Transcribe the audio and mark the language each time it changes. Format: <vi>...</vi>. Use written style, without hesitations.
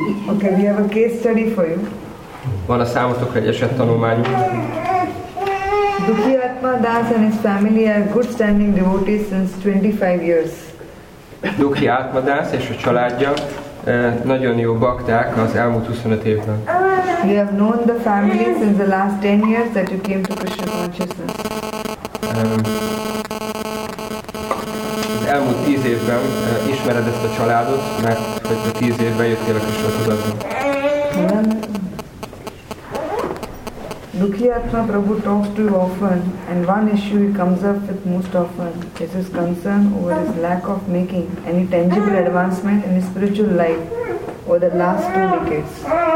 <en>Okay, we have a case study for you.</en> <hu>Van a számotokra egy esettanulmány.</hu> <en>Dukhi Atma Das and his family are good standing devotees since 25 years.</en> <hu>Dukhi Atma Das és a családja nagyon jó bakták az elmúlt 25 évben.</hu> <en>You have known the family since the last 10 years that you came to Krishna consciousness.</en> <hu>Az elmúlt 10 évben ismered ezt a családot, mert hogy a 10 évben jöttél a Krishna tudatba.</hu> <en>Dukhiyatma Prabhu talks to you often, and one issue he comes up with most often is his concern over his lack of making any tangible advancement in his spiritual life over the last 2 decades.</en>